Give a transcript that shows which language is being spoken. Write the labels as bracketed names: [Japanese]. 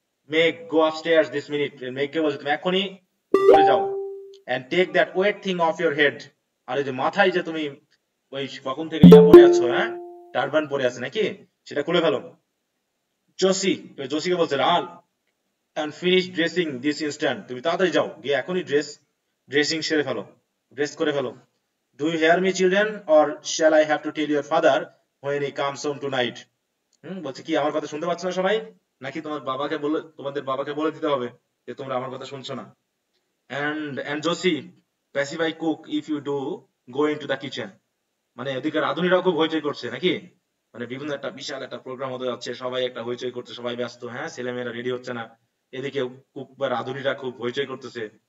[English] Meg go upstairs this minute, [Bangla] মেককে বলছে তুমি এখনই চলে যাও, [English] and take that wet thing off your head, [Bangla] আর ওই যে মাথায় যে তুমি ওই কখন থেকে ইয়া পরে আছো, হ্যাঁ টারবান পরে আছে নাকি, সেটা খুলে ফেলো। জোসি, ওই জোসিকে বলছে [English] রাল and finish dressing this instant, [Bangla] তুমি তাড়াতাড়ি যাও গিয়ে এখনই ড্রেসিং সেরে ফেলো, ড্রেস করে ফেলো। [English] Do you hear me children or shall I have to tell your father when he comes home tonight? [Bangla] বলছে কি আমার কথা শুনতে পাচ্ছ না সবাই, নাকি তোমার বাবাকে বলে তোমাদের বাবাকে বলে দিতে হবে যে তোমরা আমার কথা শুনছো না। [English] And Josie, pacify cook if you do go into the kitchen. [Bangla] মানে এদিকে রাধুনিরাও খুব হইচই করছে নাকি, মানে বিভিন্ন একটা বিশাল একটা প্রোগ্রাম হতে যাচ্ছে, সবাই একটা হইচই করছে, সবাই ব্যস্ত, হ্যাঁ ছেলে মেয়েরা রেডি হচ্ছে না, এদিকে কুক বা রাধুনিরা খুব হইচই করতেছে।